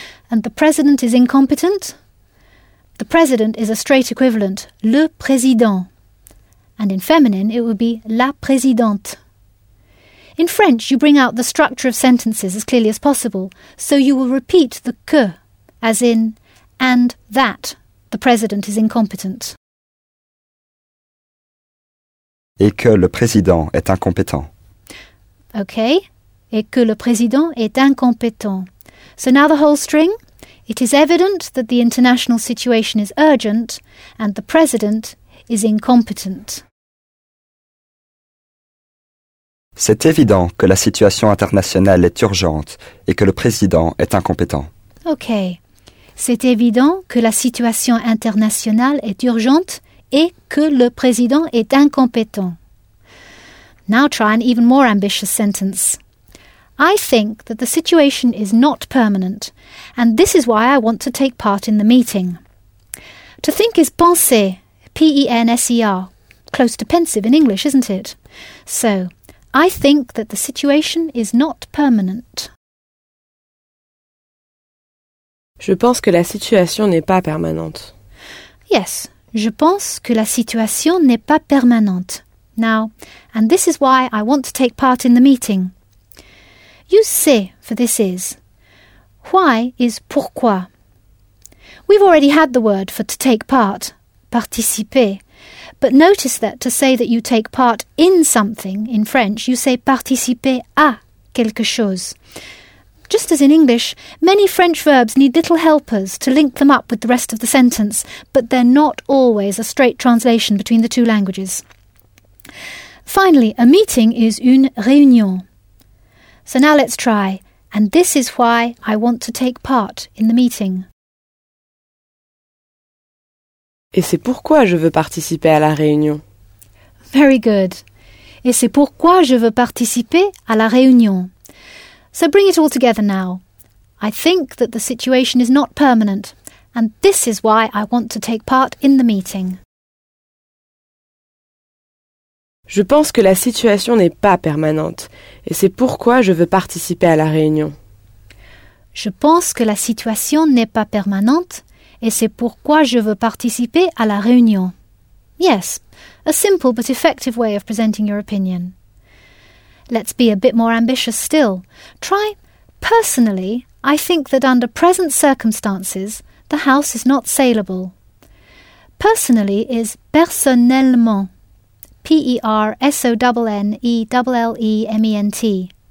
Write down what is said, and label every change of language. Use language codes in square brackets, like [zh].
[en] And the president is incompetent? The president is a straight equivalent, [fr] le président. [en] And in feminine, it would be [fr] la présidente. [en] In French, you bring out the structure of sentences as clearly as possible, so you will repeat the que, as in, and that, the president is incompetent. [fr] Et que le président est incompétent. [en] OK. [fr] Et que le président est incompétent. [en] So now the whole string. It is evident that the international situation is urgent and the president is incompetent. [fr] C'est évident que la situation internationale est urgente et que le président est incompétent. [en] OK. [fr] C'est évident que la situation internationale est urgente et que le président est incompétent. [en] Now try an even more ambitious sentence. I think that the situation is not permanent, and this is why I want to take part in the meeting. To think is penser, P-E-N-S-E-R. Close to pensive in English, isn't it? So, I think that the situation is not permanent. [fr] Je pense que la situation n'est pas permanente. [en] Yes. [fr] Je pense que la situation n'est pas permanente. [en] Now, and this is why I want to take part in the meeting. Use c'est for this is. Why is pourquoi? We've already had the word for to take part, participer. But notice that to say that you take part in something in French, you say [fr] participer à quelque chose. [en] Just as in English, many French verbs need little helpers to link them up with the rest of the sentence, but they're not always a straight translation between the two languages. Finally, a meeting is [fr] une réunion. [en] So now let's try. And this is why I want to take part in the meeting. [fr] Et c'est pourquoi je veux participer à la réunion. [en] Very good. [fr] Et c'est pourquoi je veux participer à la réunion. [en] So bring it all together now. I think that the situation is not permanent, and this is why I want to take part in the meeting. [fr] Je pense que la situation n'est pas permanente, et c'est pourquoi je veux participer à la réunion. Je pense que la situation n'est pas permanente et c'est pourquoi je veux participer à la réunion. [en] Yes, a simple but effective way of presenting your opinion. Let's be a bit more ambitious still. Try, personally, I think that under present circumstances, the house is not saleable. Personally is personnellement. P-E-R-S-O-N-N-E-L-L-E-M-E-N-T.